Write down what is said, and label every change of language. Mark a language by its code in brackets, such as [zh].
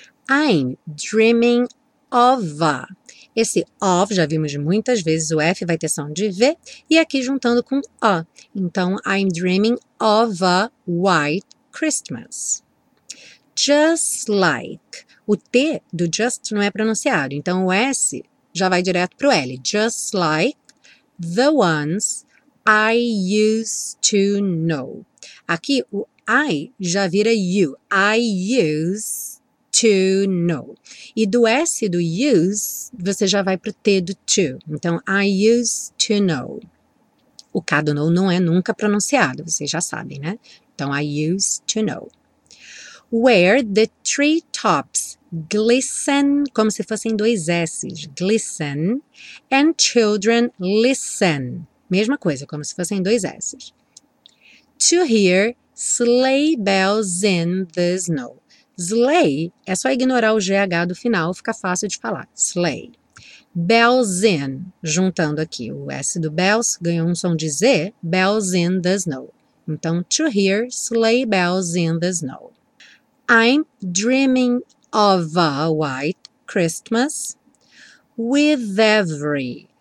[en] I'm dreaming of a. [pt] Esse of, já vimos muitas vezes, o F vai ter som de V, e aqui juntando com a. [en] Então, I'm dreaming of a white Christmas. Just like. [pt] O T do just não é pronunciado, então o S já vai direto para o L. [en] Just like the ones I used to know. [pt] Aqui, o I já vira you. [en] I use to know. [pt] E do S do use, você já vai para o T do to. Então, [en] I use to know. [pt] O K do know não é nunca pronunciado, vocês já sabem, né? [en] Então, I use to know. Where the treetops glisten, [pt] como se fossem dois S's, [en] glisten, and children listen. [pt] Mesma coisa, como se fossem dois S's. [en] To hear sleigh bells in the snow. [pt] Sleigh, é só ignorar o GH do final, fica fácil de falar. Sleigh. Bells in, juntando aqui o S do bells, ganhou um som de Z. [en] Bells in the snow. Então, to hear sleigh bells in the snow. I'm dreaming of a white Christmas with every.